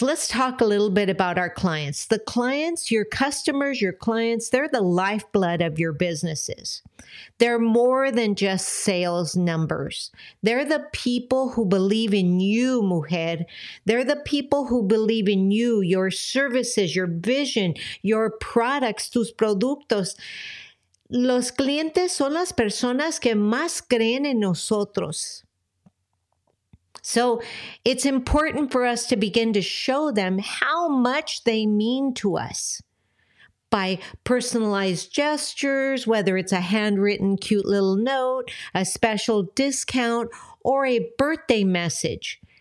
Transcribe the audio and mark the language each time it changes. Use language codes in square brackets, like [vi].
[en] Let's talk a little bit about our clients. The clients, your customers, your clients, they're the lifeblood of your businesses. They're more than just sales numbers. They're the people who believe in you, Mujer. They're the people who believe in you, your services, your vision, your products, [es] tus productos. Los clientes son las personas que más creen en nosotros. [en] So it's important for us to begin to show them how much they mean to us by personalized gestures, whether it's a handwritten cute little note, a special discount, or a birthday message.